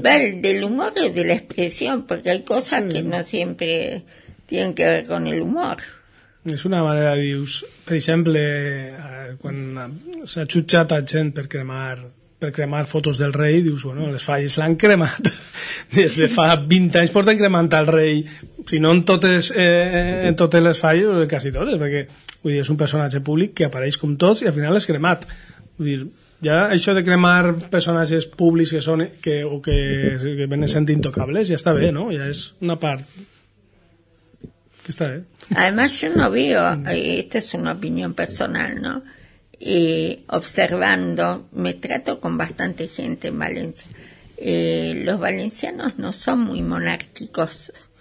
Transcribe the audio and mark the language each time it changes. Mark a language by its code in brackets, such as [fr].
[es] Del humor y de la expresión, porque hay cosas que no siempre tienen que ver con el humor. Es una manera de usar, por ejemplo, cuando se ha chuchado a gente [ca] per cremar fotos del rey, dius, bueno, les falles l'han cremat. Des de fa 20 anys porten cremant el rey. Si no en totes les falles, quasi totes, perquè vull dir, és un personatge públic que apareix com tots i al final és cremat. Vull dir, ja això de cremar personatges públics que són que venen sent intocables ja està bé, no? Ja és una part que està bé. [es] Además, yo no veo, esta es una opinión personal, ¿no? Y observando, me trato con bastante gente en Valencia. Los valencianos no son muy monárquicos.